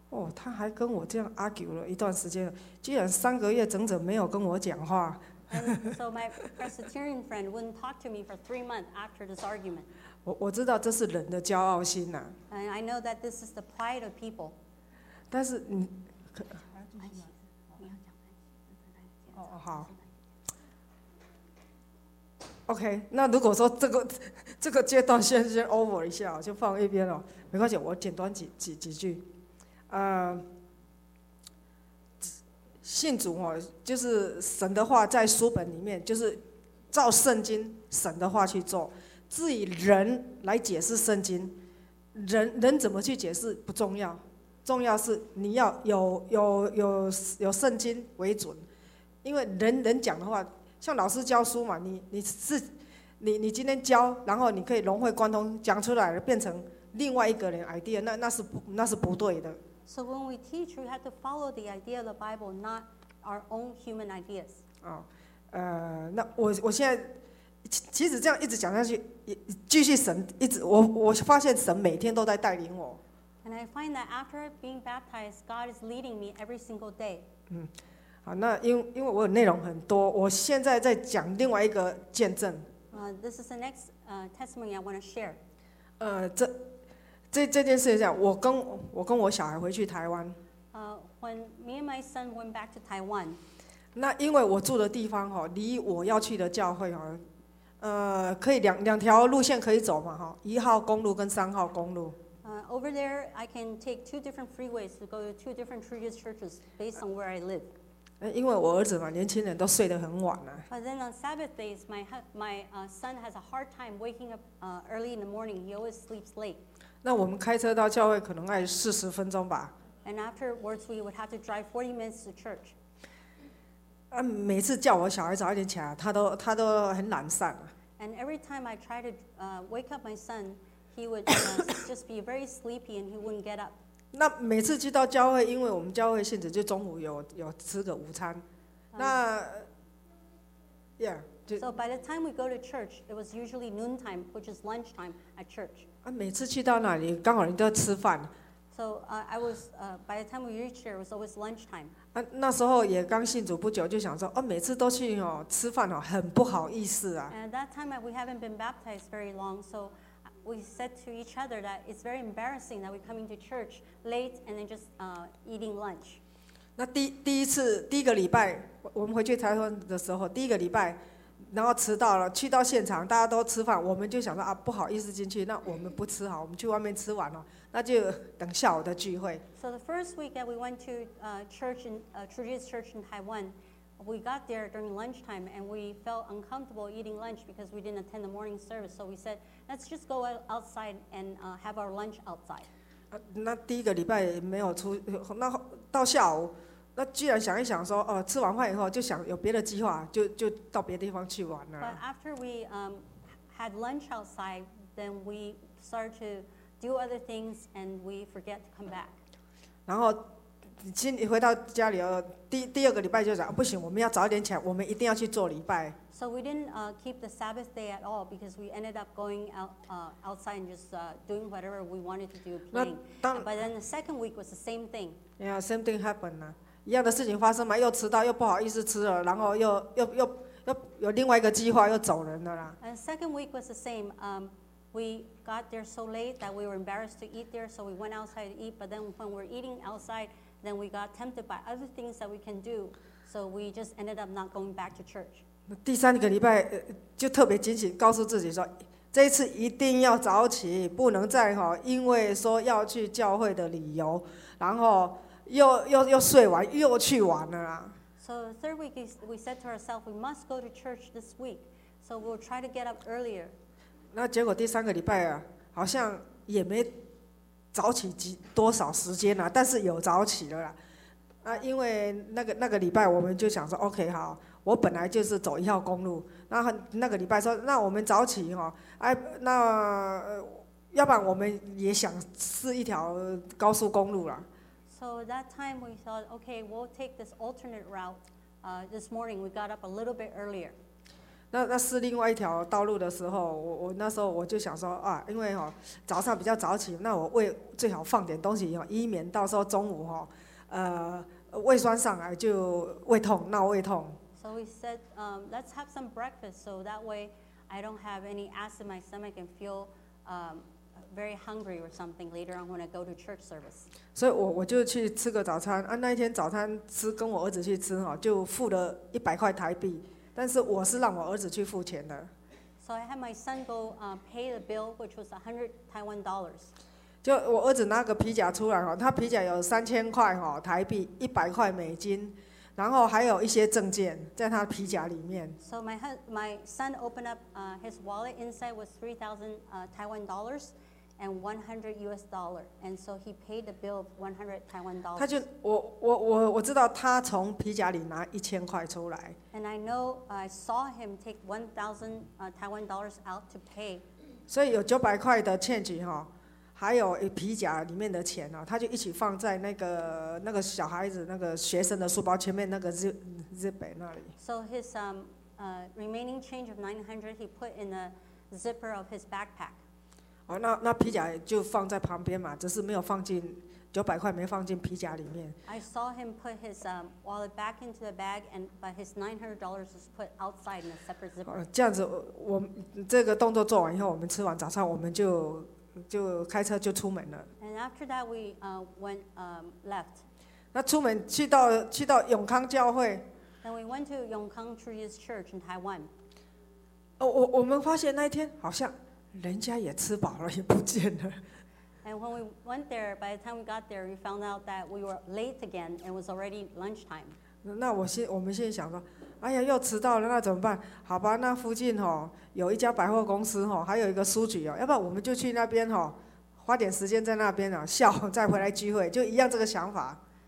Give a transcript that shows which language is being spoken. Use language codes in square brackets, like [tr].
[zh] 哦，他还跟我这样 argue 了一段时间，居然三个月整整没有跟我讲话。 [en] And so my Presbyterian friend wouldn't talk to me for 3 months after this argument. [zh] 我知道这是人的骄傲心呐、啊。 [en] And I know that this is the pride of people. [zh] 但是你可好 ？OK， 那如果说这个阶段先 over 一下，就放一边了，没关系，我简短几句，信主就是神的话在书本里面，就是照圣经神的话去做。至于人来解释圣经，人怎么去解释不重要，重要是你要有圣经为准。因为人讲的话，像老师教书嘛，你今天教，然后你可以融会贯通讲出来，变成另外一个人 idea， 那是不对的。 [en] So when we teach, we have to follow the idea of the Bible, not our own human ideas. [zh] 那 我现在其实这样一直讲下去，继续神一直 我发现神每天都在带领我。 [en] And I find that after being baptized, God is leading me every single day. [zh] 好，那因为我有内容很多，我现在在讲另外一个见证。 [en] This is the next testimony I want to share. [zh] 这件事情，我跟我小孩回去台湾。 [en] When me and my son went back to Taiwan. [zh] 那因为我住的地方哈，离我要去的教会哈，可以两条路线可以走嘛哈，一号公路跟三号公路。 [en] Over there, I can take two different freeways to go to two different religious churches based on where I live. [zh] 因为我儿子嘛，年轻人都睡得很晚了。 [en] But then on Sabbath days, my son has a hard time waking up early in the morning. He always sleeps late. [zh] 那我们开车到教会可能要40分钟吧。 [en] And afterwards, we would have to drive 40 minutes to church. [zh] 每次叫我小孩早一点起来，他都很懒散。 [en] And every time I try to wake up my son. He would just be very sleepy, and he wouldn't get up. [zh] 那每次去到教会，因为我们教会现在就中午有吃个午餐。那 [en] So by the time we go to church, it was usually noon time, which is lunch time at church. [zh] 每次去到那里，刚好人都要吃饭。 [en] So I was by the time we reached here, it was always lunch time. [zh] 那时候也刚信主不久，就想说，每次都去哦吃饭哦，很不好意思啊。 [en] And at that time, we haven't been baptized very long, so. We said to each other that it's very embarrassing that we're coming to church late and then just eating lunch. [zh] 那第一个礼拜，我们回去台湾的时候，第一个礼拜，然后迟到了，去到现场，大家都吃饭，我们就想说啊，不好意思进去，那我们不吃好，我们去外面吃完了，那就等下午的聚会。 [en] So the first week that we went to church in Trudy's church in Taiwan, we got there during lunchtime and we felt uncomfortable eating lunch because we didn't attend the morning service. So we said. Let's just go outside and have our lunch outside. [zh] 那第一个礼拜没有出，那到下午，那居然想一想说，吃完饭以后就想有别的计划，就到别的地方去玩了。 [en] But after we had lunch outside, then we started to do other things and we forget to come back. [zh] 然后进回到家里，第二个礼拜就讲，不行，我们要早点起来，我们一定要去做礼拜。 [en] So we didn't keep the Sabbath day at all because we ended up going out, outside and just doing whatever we wanted to do, playing. But then the second week was the same thing. Yeah, same thing happened. [zh] 一样的事情发生嘛，又迟到，又不好意思吃了，然后又有另外一个计划，又走人了啦。 [en] And second week was the same. We got there so late that we were embarrassed to eat there, so we went outside to eat. But then when we're eating outside, then we got tempted by other things that we can do, so we just ended up not going back to church. [zh] 第三个礼拜就特别警醒，告诉自己说，这一次一定要早起，不能再因为说要去教会的理由，然后又睡完又去玩了啦。 [en] So the third week is we said to ourselves we must go to church this week, so we'll try to get up earlier. [zh] 那结果第三个礼拜啊，好像也没早起多少时间啦，但是有早起了啦。那因为那个礼拜我们就想说 ，OK 好。我本来就是走一号公路，那个礼拜说，那我们早起哈，那要不然我们也想试一条高速公路啦。 [en] So that time we thought, okay, we'll take this alternate route. This morning we got up a little bit earlier. [zh] 那试另外一条道路的时候，我那时候我就想说啊，因为哈早上比较早起，那我胃最好放点东西哈，以免到时候中午哈，胃酸上来就胃痛，闹胃痛。 [en] So we said, let's have some breakfast, so that way I don't have any acid in my stomach and feel very hungry or something later on when I go to church service. So I [zh] 就去吃个早餐啊。那一天早餐吃跟我儿子去吃哈，就付了100块台币。但是我是让我儿子去付钱的。 [en] So I had my son go pay the bill, which was 100 Taiwan dollars. [zh] 就我儿子拿个皮夹出来哈，他皮夹有3000块台币，100块美金。然后还有一些证件在他皮夹里面。 [en] So my son opened up his wallet. Inside was 3,000 Taiwan dollars and 100 US dollar. And so he paid the bill of 100 Taiwan dollars. [zh] 他就我知道他从皮夹里拿1000块出来。 [en] And I know I saw him take 1,000 Taiwan dollars out to pay. [zh] 所以有900块的change哈，还还有皮夹里面的钱、啊、他就一起放在那个小孩子那个学生的书包前面那个 zipper 那里。 [en] So his remaining change of $900 he put in the zipper of his backpack. [zh] 哦，那皮夹就放在旁边嘛，只是没有放进900块没放进皮夹里面。 [en] I saw him put his wallet back into the bag, and but his $900 was put outside in a separate zipper. [zh] 这样子，我这个动作做完以后，我们吃完早餐，我们就开车就出门了。 [en] And after that, we went left. [zh] 那出门去到永康教会。 [en] And we went to Yongkang Trees Church in Taiwan. [zh] 哦，我们发现那一天好像人家也吃饱了，也不见了。 [en] And when we went there, by the time we got there, we found out that we were late again, and it was already lunchtime. [zh] 那我们现在想说，哎呀，又迟到了，那怎么办？好吧，那附近哦，有一家百货公司哦，还有一个书局哦，要不然我们就去那边哦，花点时间在那边哦，下午再回来聚会，就一样这个想法。